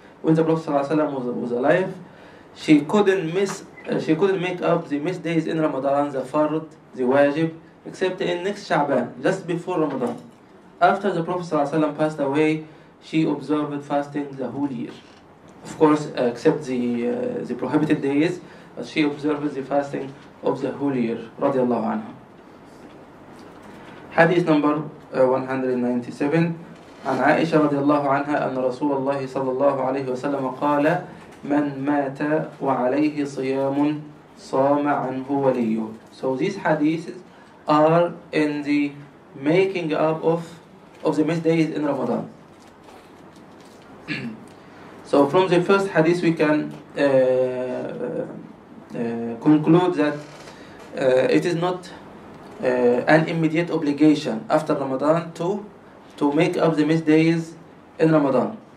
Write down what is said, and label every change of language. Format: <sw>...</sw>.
<en>When the Prophet sallallahu alaihi wasallam was alive, she couldn't make up the missed days in Ramadan, the fard, the wajib, except in next Sha'ban, just before Ramadan. After the Prophet sallallahu alaihi wasallam passed away, she observed fasting the whole year. Of course, except the prohibited days, but she observed the fasting of the whole year, radiallahu anha. Hadith number 197,</en> <ar>عن عائشة radiallahu anha, أن رسول الله صلى الله عليه وسلم قال من مات وعليه صيام صام عنه وليه.</ar> <en>So these hadiths are in the making up of the missed days in Ramadan. So from the first hadith we can conclude that it is not an immediate obligation after Ramadan to make up the missed days in Ramadan.</en>